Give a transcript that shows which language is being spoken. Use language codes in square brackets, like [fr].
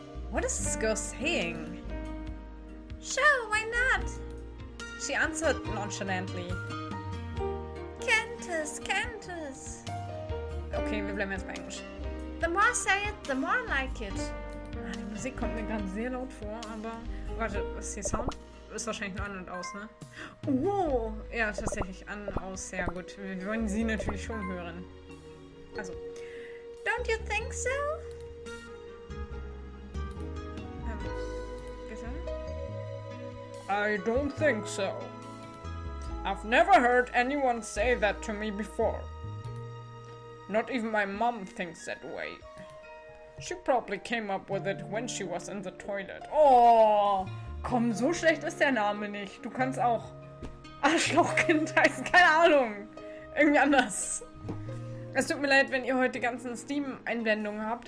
[en] What is this girl saying? Sure, why not? She answered nonchalantly. Cantus, Cantus. [de] Okay, wir bleiben jetzt bei Englisch. [en] The more I say it, the more I like it. [de] Ah, die Musik kommt mir gerade sehr laut vor, aber... Warte, was ist hier Sound? Ist wahrscheinlich nur an und aus, ne? Wow! Ja, tatsächlich an und aus, sehr gut. Wir wollen sie natürlich schon hören. Also. [en] Don't you think so? Bitte? I don't think so. I've never heard anyone say that to me before. Not even my mom thinks that way. She probably came up with it when she was in the toilet. [de] Oh, komm, so schlecht ist der Name nicht. Du kannst auch Arschlochkind heißen. Keine Ahnung. Irgendwie anders. Es tut mir leid, wenn ihr heute die ganzen Steam-Einblendungen habt.